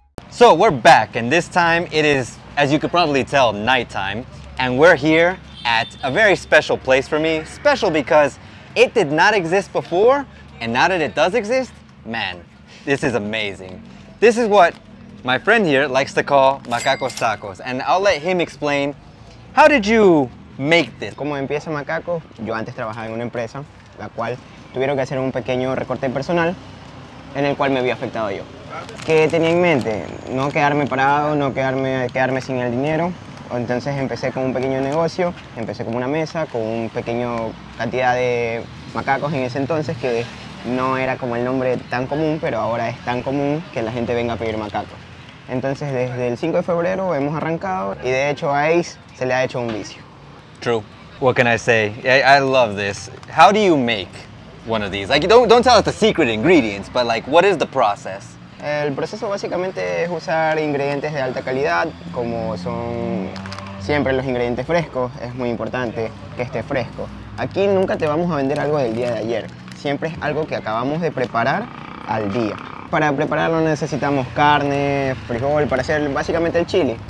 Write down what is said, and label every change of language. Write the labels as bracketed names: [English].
[English] So we're back, and this time it is, as you could probably tell, nighttime, and we're here at a very special place for me. Special because it did not exist before, and now that it does exist, man, this is amazing. This is what my friend here likes to call Macacos Tacos, and I'll let him explain. How did you make this? [Spanish] Como empieza Macaco, yo antes trabajaba en una empresa, la cual tuvieron que hacer un pequeño recorte personal, en el cual me había afectado yo. ¿Qué tenía en mente? No quedarme parado, no quedarme sin el dinero. Entonces empecé con un pequeño negocio, empecé con una mesa, con una pequeña cantidad de macacos en ese entonces, que no era como el nombre tan común, pero ahora es tan común que la gente venga a pedir macacos. Entonces desde el 5 de febrero hemos arrancado y de hecho a Ace se le ha hecho un vicio. [English] True. What can I say? I love this. How do you make one of these? Like, don't tell us the secret ingredients, but like, what is the process? [Spanish] El proceso básicamente es usar ingredientes de alta calidad, como son siempre los ingredientes frescos. Es muy importante que esté fresco. Aquí nunca te vamos a vender algo del día de ayer. Siempre es algo que acabamos de preparar al día. Para prepararlo necesitamos carne, frijol, para hacer básicamente el chili.